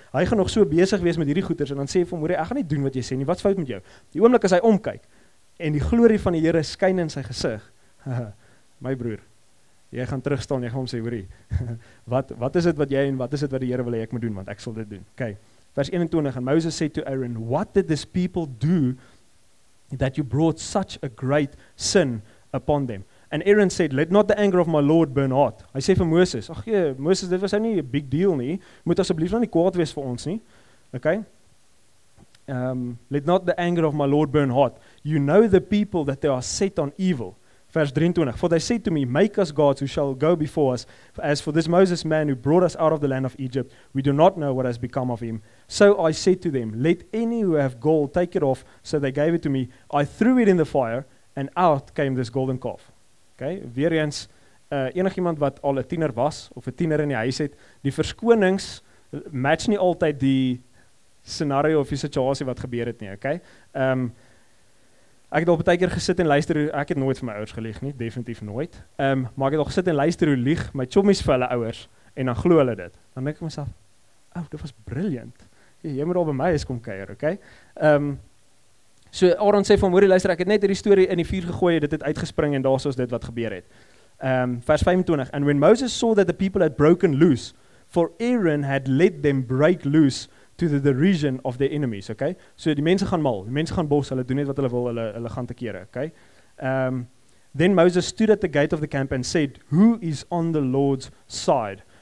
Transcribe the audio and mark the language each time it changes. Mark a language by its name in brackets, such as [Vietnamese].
[Afrikaans] Hy gaan nog so besig wees met hierdie goeders, en dan sê hy vir hom, hoor, ek gaan nie doen wat jy sê nie, wat's fout met jou? Die oomblik as hy omkyk, en die glorie van die Here skyn in sy gesig, my broer, jy gaan terugstaan, jy gaan hom sê, hoor, wat is dit wat jy, en wat is dit wat die Here wil hê ek moet doen, want ek sal dit doen. Okay, vers 21, en Moses sê [English] to Aaron, what did this people do, that you brought such a great sin upon them? And Aaron said, let not the anger of my Lord burn hot. [Afrikaans] Hy sê vir Moses, ag jee, Moses, dit was nou nie [English] a big deal [Afrikaans] nie. Moet asseblief nou nie kwaad wees vir ons nie. [English] Okay? Let not the anger of my Lord burn hot. You know the people that they are set on evil. [Afrikaans] Vers 23. [English] For they said to me, make us gods who shall go before us. As for this Moses man who brought us out of the land of Egypt, we do not know what has become of him. So I said to them, let any who have gold take it off. So they gave it to me. I threw it in the fire and out came this golden calf. [Afrikaans] Okay, weer eens, enig iemand wat al 'n tiener was, of 'n tiener in die huis het, die verskonings match nie altyd die scenario of die situasie wat gebeur het nie, okay? Ek het al baie keer gesit en luister, ek het nooit vir my ouers gelieg nie, definitief nooit. Maar ek het al gesit en luister hoe lieg my chommies vir hulle ouers, en dan glo hulle dit. Dan denk ek myself, oh, dit was brilliant. Jy moet al by my huis kom kuier, okay? So Aaron sê van, hoorie luister, ek het net die story in die vuur gegooi, dit het uitgespring en daar soos dit wat gebeur het. [English] Vers 25, and when Moses saw that the people had broken loose, for Aaron had let them break loose to the derision of their enemies, okay? [Afrikaans] So die mense gaan mal, die mense gaan bos, hulle doen net wat hulle wil, hulle gaan te kere, okay? [English] Then Moses stood at the gate of the camp and said, who is on the Lord's side?